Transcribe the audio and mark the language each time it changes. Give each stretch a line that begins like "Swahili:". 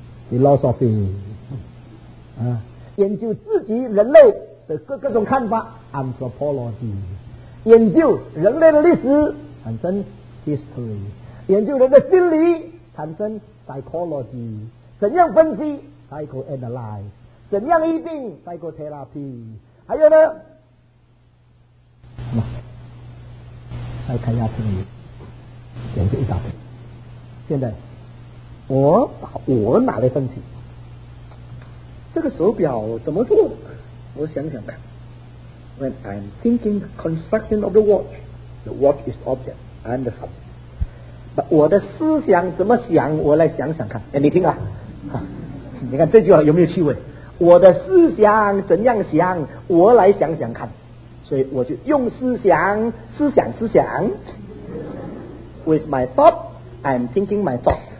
Chinese: philosophy、啊、研究自己人类的 各种看法 anthropology，研究人类的历史产生 history， 研究人的心理产生 psychology， 怎样分析 psychoanalyze， 怎样医病 psychotherapy， 还有呢再看一下这里研究一大堆。现在我把我拿来分析这个手表怎么做，我想想吧。
English: When I'm thinking construction of the watch is object, I'm the subject. But
Chinese: 我的思想怎么想，我来想想看。哎，你听啊，你看这句话有没有趣味？我的思想怎样想，我来想想看。所以我就用思想，思想，思想。
English: With my thought, I'm thinking my thought.